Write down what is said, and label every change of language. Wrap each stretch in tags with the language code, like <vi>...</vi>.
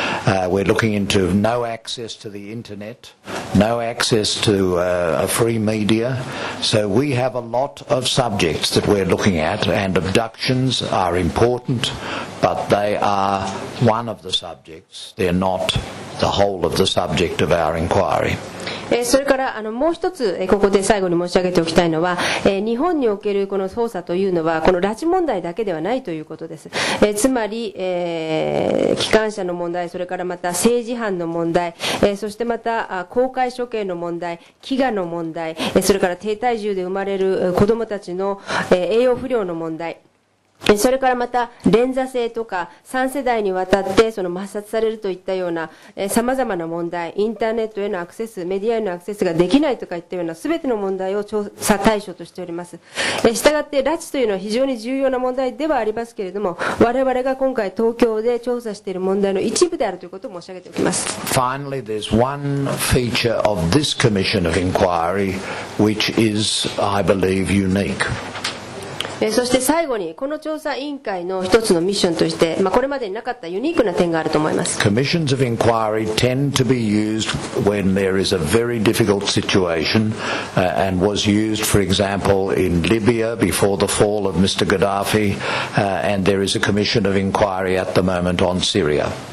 <en>We're looking into no access to the internet, no access to free media. So we have a lot of subjects that we're looking at, and abductions are important, but they are one of the subjects. They're not the whole of the subject of our inquiry.</en> <ja>それからもう一つ、ここで最後に申し上げておきたいのは、日本におけるこの捜査というのは、この拉致問題だけではないということです。つまり、機関車の問題、それからまた政治犯の問題、そしてまた公開処刑の問題、飢餓の問題、それから低体重で生まれる子どもたちの、栄養不良の問題、それからまた連座性とか3世代にわたってその抹殺されるといったようなさまざまな問題、インターネットへのアクセス、メディアへのアクセスができないとかいったようなすべての問題を調査対象としております。したがって拉致というのは非常に重要な問題ではありますけれども、我々が今回東京で調査している問題の一部であるということを申し上げておきます。</ja> <en>Finally, there's one feature of this commission of inquiry which is, I believe, unique.</en> <ja>そして最後にこの調査委員会の一つのミッションとして、まあ、これまでになかったユニークな点があると思います。</ja> <en>Commissions of inquiry tend to be used when there is a very difficult situation, and was used for example in Libya before the fall of Mr. Gaddafi, and there is a commission of inquiry at the moment on Syria.</en>